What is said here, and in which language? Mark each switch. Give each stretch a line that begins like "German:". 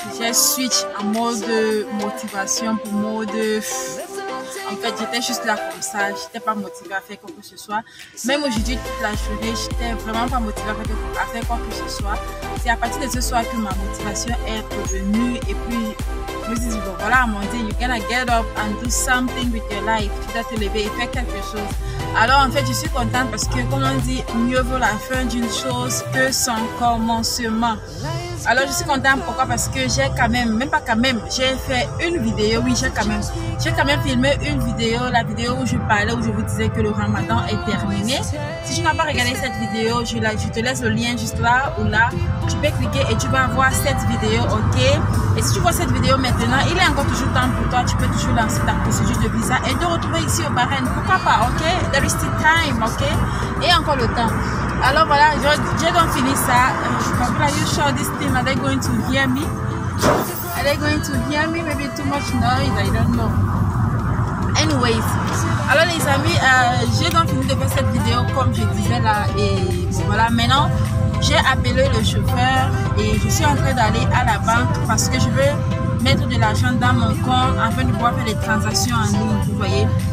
French: J'ai switch en mode motivation pour mode. En fait, j'étais juste là comme ça. J'étais pas motivée à faire quoi que ce soit. Même aujourd'hui, toute la journée, j'étais vraiment pas motivée à faire quoi que ce soit. C'est à partir de ce soir que ma motivation est revenue. Et puis,
English: Moses
French: dit, voilà
English: Amandine, you're gonna get up and do something with your life.
French: Tu dois te lever et faire quelque chose. Alors en fait, je suis contente parce que, comme on dit, mieux vaut la fin d'une chose que son commencement. Alors je suis contente, pourquoi? Parce que j'ai quand même, j'ai fait une vidéo, j'ai quand même filmé une vidéo, la vidéo où je parlais, où je vous disais que le ramadan est terminé. Si tu n'as pas regardé cette vidéo, je te laisse le lien juste là ou là. Tu peux cliquer et tu vas voir cette vidéo, ok? Et si tu vois cette vidéo maintenant, il est encore toujours temps pour toi, tu peux toujours lancer ta procédure de visa et te retrouver ici au Bahreïn, pourquoi pas, ok?
English: There is still time, ok?
French: Et encore le temps. Alors voilà, j'ai donc fini ça.
English: Are you sure this team, are they going to hear me? Are they going to hear me? Maybe too much noise, I don't know.
French: Anyways, alors les amis, j'ai donc fini de faire cette vidéo comme je disais là. Et voilà, maintenant, j'ai appelé le chauffeur et je suis en train d'aller à la banque parce que je veux mettre de l'argent dans mon compte afin de pouvoir faire des transactions en ligne, vous voyez.